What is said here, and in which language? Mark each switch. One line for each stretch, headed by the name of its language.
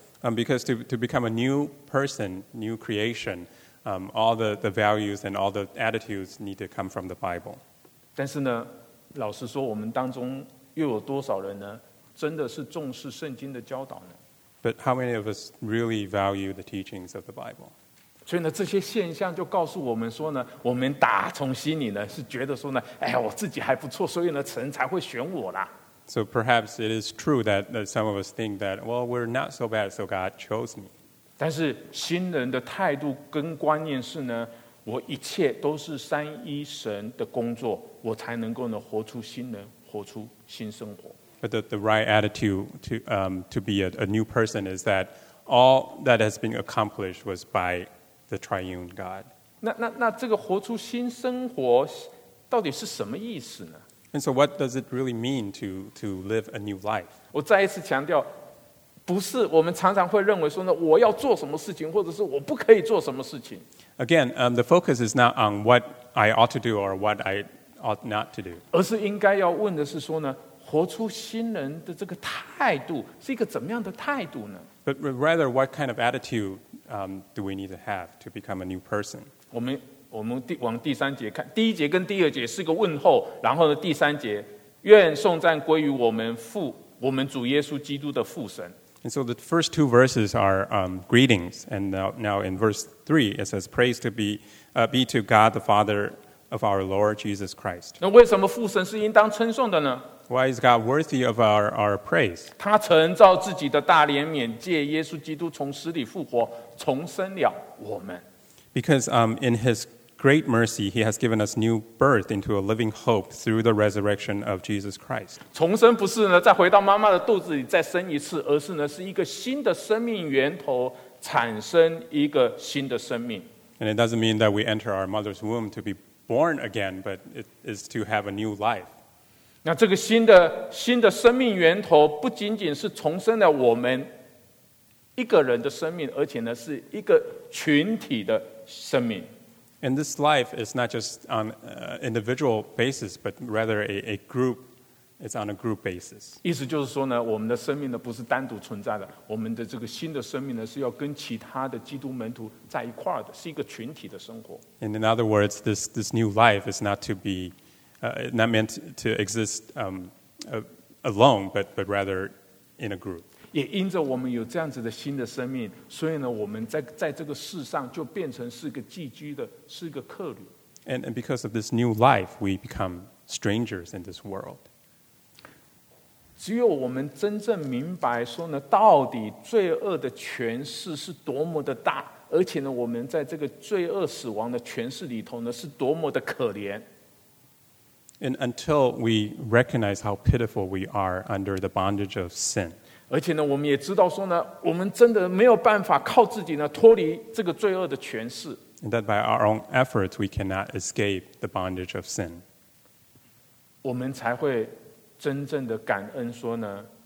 English: Because to become a new person, new creation, all the values and all the attitudes need to come from the Bible.
Chinese: 但是呢，老实说，我们当中又有多少人呢，真的是重视圣经的教导呢？
English: But how many of us really value the teachings of the Bible?
Chinese: 所以呢，这些现象就告诉我们说呢，我们打从心里呢是觉得说呢，哎，我自己还不错，所以呢，神才会选我啦。
English: So perhaps it is true that some of us think that, well, we're not so bad, so God chose me.
Chinese: 但是新人的态度跟观念是呢，我一切都是三一神的工作，我才能够呢活出新人，活出新生活。
English: But the right attitude to be a new person is that all that has been accomplished was by the triune God.
Chinese: 那这个活出新生活到底是什么意思呢？
English: And so what does it really mean to live a new life?
Chinese: 我再一次强调，不是我们常常会认为说呢，我要做什么事情，或者是我不可以做什么事情。
English: Again, the focus is not on what I ought to do or what I ought not to do.
Chinese: 而是应该要问的是说呢，活出新人的这个态度是一个怎么样的态度呢？
English: But rather, what kind of attitude do we need to have to become a new person?
Chinese: 我们往第三节看，第一节跟第二节是个问候，然后呢，第三节，愿颂赞归于我们主耶稣基督的父神。
English: And so the first two verses are greetings, and now in verse 3 it says, "Praise to be to God the Father of our Lord Jesus Christ."
Chinese: 那为什么父神是应当称颂的呢？
English: Why is God worthy of our praise?
Chinese: 他曾照自己的大怜悯，借耶稣基督从死里复活，重生了我们。
English: Because in His great mercy, He has given us new birth into a living hope through the resurrection of Jesus Christ.
Chinese: 重生不是呢再回到妈妈的肚子里再生一次，而是呢是一个新的生命源头产生一个新的生命。
English: And it doesn't mean that we enter our mother's womb to be born again, but it is to have a new life.
Chinese: 那这个新的生命源头不仅仅是重生了我们一个人的生命，而且呢是一个群体的生命。
English: And this life is not just on individual basis, but rather a group. It's on a group basis.
Chinese: 意思就是说呢, 我们的生命呢不是单独存在的, 我们的这个新的生命呢是要跟其他的基督门徒在一块的, 是一个群体的生活。
English: And in other words, this new life is not to be not meant to exist alone, but rather in a group.
Chinese: 也因着我们有这样子的新的生命, 所以呢我们在这个世上就变成是个寄居的, 是个客旅。
English: And because of this new life, we become strangers in this world.
Chinese: 只有我们真正明白说呢, 到底罪恶的权势是多么的大, 而且呢, 我们在这个罪恶死亡的权势里头呢, 是多么的可怜。
English: And until we recognize how pitiful we are under the bondage of sin.
Chinese: 而且呢, 我们也知道说呢, 我们真的没有办法靠自己呢, 脱离这个罪恶的权势。
English: And that by our own efforts, we cannot escape the bondage of sin.
Chinese: 我们才会 真正的感恩说呢,